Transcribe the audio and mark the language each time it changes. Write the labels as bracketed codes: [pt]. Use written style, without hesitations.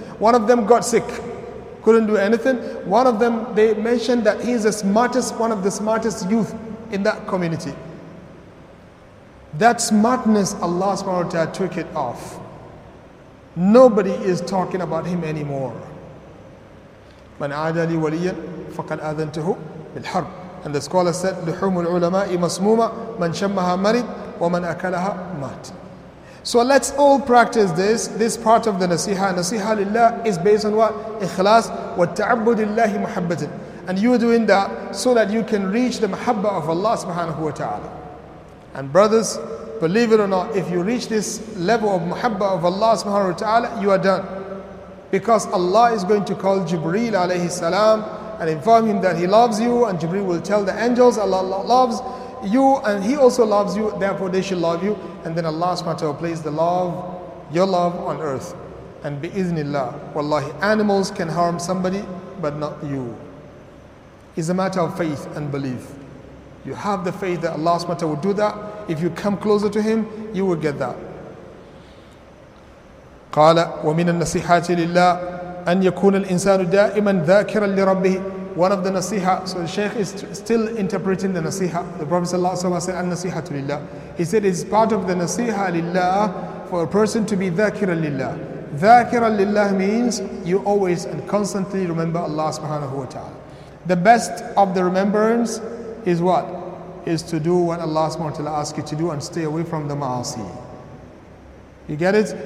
[en] One of them got sick, couldn't do anything. One of them, they mentioned that he is the smartest, one of the smartest youth in that community. That smartness, Allah subhanahu wa ta'ala took it off. Nobody is talking about him anymore. [ar] مَنْ عَادَ لِي وَلِيًّا فَقَدْ أَذَنْتُهُ بِالْحَرْبِ. [en] And the scholar said, [ar] لُحُومُ الْعُلَمَاءِ مَسْمُومَ مَنْ شَمَّهَا مَرِدْ وَمَنْ أَكَلَهَا مَاتْ. [en] So let's all practice this. This part of the nasiha. Nasiha lillah is based on what? [ar] Ikhlas. وَالتَّعَبُّدِ اللَّهِ مُحَبَّةٍ. [en] And you're doing that so that you can reach the muhabba of Allah subhanahu wa ta'ala. And brothers, believe it or not, if you reach this level of muhabba of Allah subhanahu wa ta'ala, you are done. Because Allah is going to call Jibreel alayhi salam and inform him that he loves you, and Jibreel will tell the angels Allah loves you and he also loves you, therefore they should love you. And then Allah subhanahu wa ta'ala place the love, your love on earth. And bi-iznillah, wallahi, animals can harm somebody but not you. It's a matter of faith and belief. You have the faith that Allah subhanahu wa ta'ala will do that. If you come closer to him, you will get that. [ar] قال ومن النصيحات لله أن يكون الإنسان دائما ذاكرا لربه. [en] One of the nasiha, so the Shaykh is still interpreting the nasiha. The Prophet ﷺ said, [ar] "النصيحات لله." [en] He said, "It's part of the nasiha لله for a person to be [ar] ذاكرا لله." ذاكرا لله [en] means you always and constantly remember Allah سبحانه وتعالى. The best of the remembrance is what? Is to do what Allah سبحانه وتعالى asks you to do and stay away from the ma'asi. You get it?